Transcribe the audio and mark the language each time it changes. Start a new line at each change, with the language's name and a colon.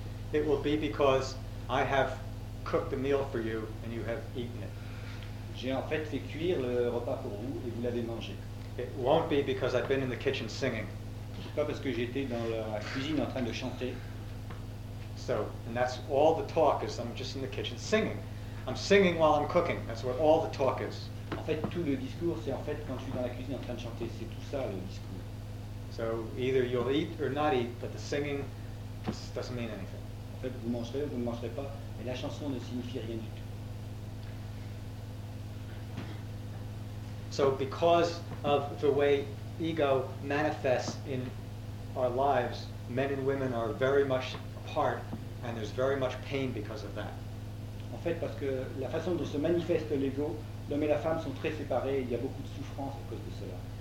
English: It will be because I have cooked a meal for you and you have eaten it.
French: J'ai en fait fait cuire le repas pour vous et vous l'avez mangé.
English: It won't be because I've been in the kitchen singing.
French: C'est pas parce que j'étais dans la cuisine en train de chanter.
English: So, and that's all the talk is I'm just in the kitchen singing. I'm singing while I'm cooking. That's what all the talk is.
French: En fait, tout le discours, c'est en fait quand je suis dans la cuisine en train de chanter. C'est tout ça le discours.
English: So, either you'll eat or not eat, but the singing doesn't mean anything.
French: En fait, vous mangerez ou vous ne mangerez pas, mais la chanson ne signifie rien du tout.
English: So, because of the way ego manifests in our lives, men and women are very much apart, and there's very much pain because of that.
French: En fait, parce que la façon dont se manifeste l'ego, l'homme et la femme sont très séparés, il y a beaucoup de souffrance à cause de cela.